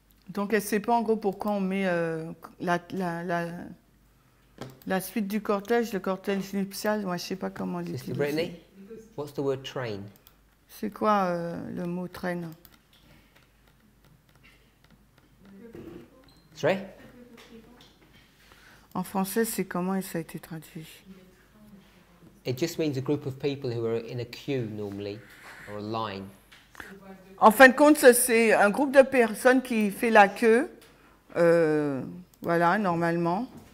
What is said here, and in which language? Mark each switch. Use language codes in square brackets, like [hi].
[fr] Donc elle ne sait pas en gros pourquoi on met la suite du cortège, le cortège nuptial. Moi, je ne sais pas comment l'utiliser. [en] Sister Brittany, what's the word train? [fr] C'est quoi le mot train? [en] Sorry? [fr] En français, c'est comment ça a été traduit? [en] It just means a group of people who are in a queue normally, or a line. [fr] En fin de compte, c'est un groupe de personnes qui fait la queue, voilà, normalement.